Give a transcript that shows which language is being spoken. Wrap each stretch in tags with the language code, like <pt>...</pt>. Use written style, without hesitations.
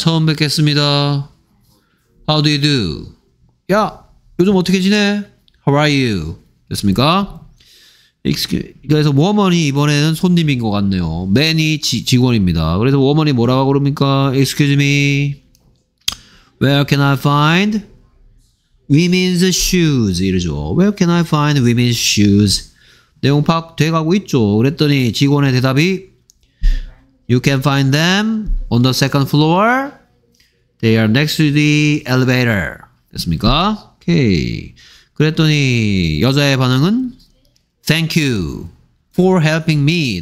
<ko>처음 뵙겠습니다.</ko> <en>How do you do?</en> <ko>야! 요즘 어떻게 지내?</ko> <en>How are you?</en> <ko>됐습니까? 그래서 워먼이 이번에는 손님인 것 같네요. 맨이 직원입니다. 그래서 워먼이 뭐라고 그럽니까?</ko> <en>Excuse me. Where can I find women's shoes?</en> <ko>이러죠.</ko> <en>Where can I find women's shoes?</en> <ko>내용 파악되어가고 있죠. 그랬더니 직원의 대답이</ko> <en>You can find them on the second floor. They are next to the elevator.</en> <ko>됐습니까? 오케이. 그랬더니 여자의 반응은</ko> <en>Thank you for helping me.</en>